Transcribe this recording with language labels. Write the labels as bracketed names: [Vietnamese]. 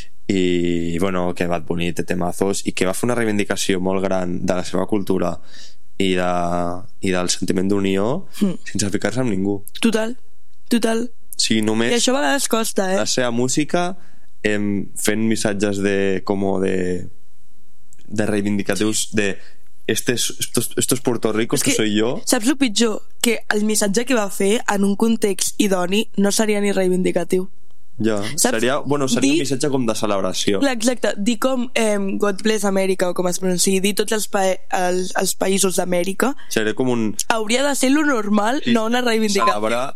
[Catalan] I, bueno, que Bad Bunny té temazos i que va fer una reivindicació molt gran de la seva cultura i del sentiment d'unió sense ficar-se amb ningú. Total. Sí, només... I això a vegades costa, La seva música, fent missatges de... Com de... de reivindicatius, sí, de [Spanish] esto es Puerto Rico, esto soy yo. [Catalan] Saps lo pitjor? Que el missatge que va fer en un context idoni no seria ni reivindicatiu. Ja, seria, bueno, seria un missatge com de celebració. Exacte, dir com God bless America, o com es pronuncia, dir tots els països d'Amèrica. Seria com un... Hauria de ser lo normal, sí, no una reivindicació.